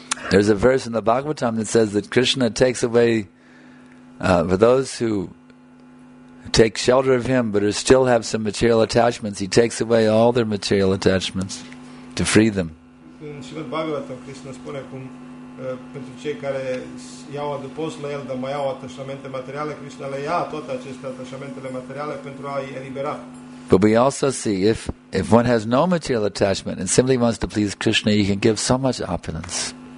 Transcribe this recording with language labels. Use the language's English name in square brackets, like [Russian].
[English] There's a verse in the Bhagavatam that says that Krishna takes away for those who take shelter of Him but still have some material attachments, He takes away all their material attachments to free them. [Romanian] In Srimad Bhagavatam, Krishna spune cum pentru cei care iau adăpost la El, dar mai au atașamente materiale, Krishna le ia toate aceste atașamentele materiale pentru a-i elibera. [English] But we also see if one has no material attachment and simply wants to please Krishna, he can give so much opulence.